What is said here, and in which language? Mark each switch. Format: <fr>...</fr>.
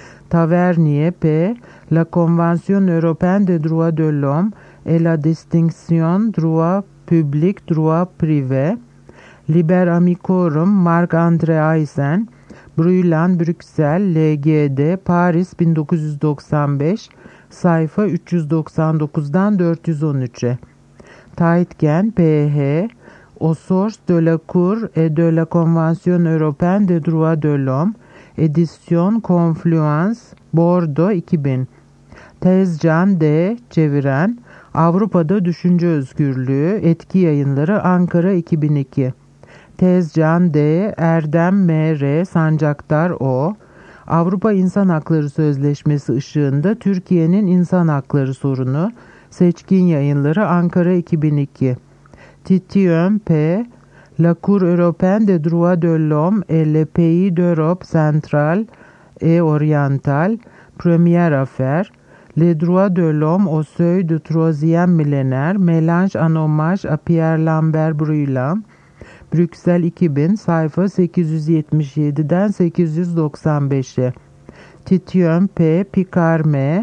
<fr>Tavernier P. La Convention européenne des droits de l'homme et la distinction droit public, droit privé, Liber Amicorum, Marc-André Aysen, Brûlant, Bruxelles, LGD, Paris 1995,</fr> <tr>sayfa 399'dan 413'e.</tr> <fr>Taitgen, PH, Au source de la Cour et de la Convention européenne des droits de l'homme, édition Confluence, Bordeaux 2000.</fr> <tr>Tezcan, D, çeviren, Avrupa'da Düşünce Özgürlüğü, Etki Yayınları, Ankara 2002. Tezcan D. Erdem M. R. Sancaktar O. Avrupa İnsan Hakları Sözleşmesi ışığında Türkiye'nin İnsan Hakları Sorunu, Seçkin Yayınları, Ankara 2002.</tr> <fr>Titiön P. La Cour européenne des droits de l'homme et le pays d'Europe centrale et orientale, Première affaire, Les droits de l'homme au seuil du troisième millénaire, Mélange en hommage à Pierre Lambert Brûlant, Bruxelles 2000,</fr> <tr>sayfa 877'den 895'e.</tr> <fr>Titiön P. Picard M.</fr>